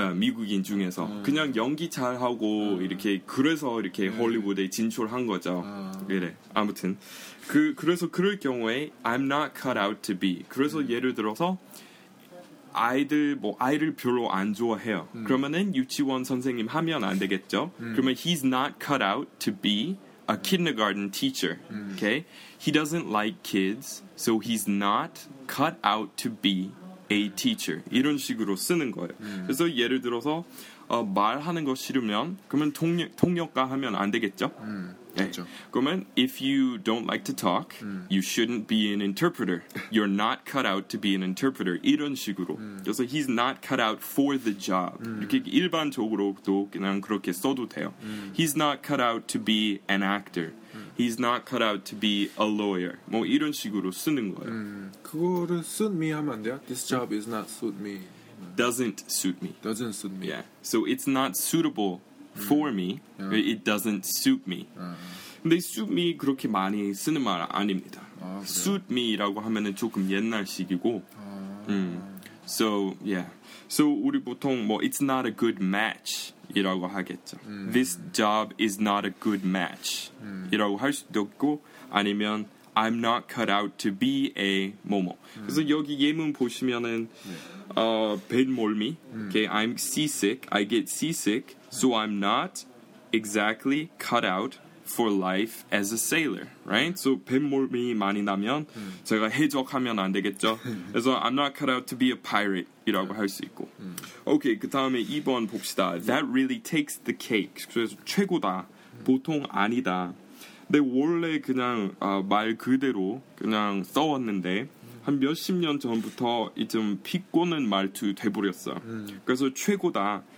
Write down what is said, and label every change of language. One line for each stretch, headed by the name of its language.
Korean: 아, 미국인 중에서 아. 그냥 연기 잘 하고 아. 이렇게 그래서 이렇게 네. 할리우드에 진출한 거죠. 그래 아. 아무튼 그 그래서 그럴 경우에
English: I'm not cut out to be.
Korean: 그래서 예를 들어서 아이들 뭐 아이를 별로 안 좋아해요. 그러면은 유치원 선생님 하면 안 되겠죠. 그러면
English: he's not cut out to be a kindergarten teacher. Okay, he doesn't like kids, so he's not cut out to be a teacher.
Korean: 이런 식으로 쓰는 거예요. 그래서 예를 들어서 말하는 거 싫으면 그러면 통역가 하면 안 되겠죠. 그렇죠. 네. 그러면
English: if you don't like to talk, you shouldn't be an interpreter. You're not cut out to be an interpreter.
Korean: 이런 식으로. 그래서
English: he's not cut out for the job.
Korean: 이렇게 일반적으로도 그냥 그렇게 써도 돼요.
English: He's not cut out to be an actor. He's not cut out to be a lawyer.
Korean: 뭐 이런 식으로 쓰는 거예요. 그거를 suit me 하면 안 돼요?
English: This job is not suit me. Doesn't suit me. Doesn't suit me. Yeah. So it's not suitable for me. Yeah. It doesn't suit me.
Korean: 근데 suit me 그렇게 많이 쓰는 말 아닙니다. 아, suit me라고 하면 조금 옛날식이고. 아.
English: So yeah. So
Korean: 우리 보통 뭐
English: it's not a good match.
Korean: 이라고 하겠죠.
English: This job is not a good match.
Korean: 이라고 할 수도 있고 아니면
English: I'm not cut out to be a
Korean: 뭐뭐. 그래서 여기 예문 보시면은 벤 몰미.
English: Okay, I'm seasick. I get seasick. So I'm not exactly cut out for life as a sailor. Right? So
Korean: 벤 몰미 많이 나면 제가 해적하면 안 되겠죠. 그래서
English: I'm not cut out to be a pirate.
Korean: 이라고 할 수 있고.
English: Okay,
Korean: 그 다음에 2번 봅시다.
English: That really takes the cake.
Korean: 그래서 최고다. 보통 아니다. 근데 원래 그냥 말 그대로 그냥 써왔는데 한 몇십 년 전부터 좀 피꼬는 말투 돼버렸어. 그래서 최고다.